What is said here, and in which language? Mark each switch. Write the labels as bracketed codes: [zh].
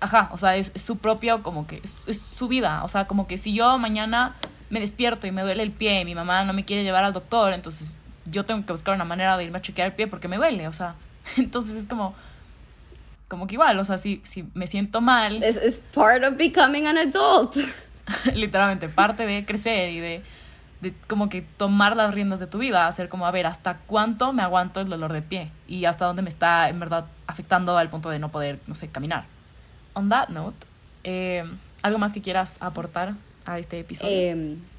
[es] O sea, es su propio, como que, es su vida. O sea, como que si yo mañana me despierto y me duele el pie y mi mamá no me quiere llevar al doctor, entonces yo tengo que buscar una manera de irme a chequear el pie porque me duele, o sea, entonces es como que igual, o sea, si me siento mal. [en] It's part of becoming an adult. [es] Literalmente, parte de crecer y de como que tomar las riendas de tu vida, hacer como, a ver, ¿hasta cuánto me aguanto el dolor de pie? Y hasta dónde me está, en verdad, afectando al punto de no poder, no sé, caminar. [en] On that note, [es] ¿algo más que quieras aportar a este episodio?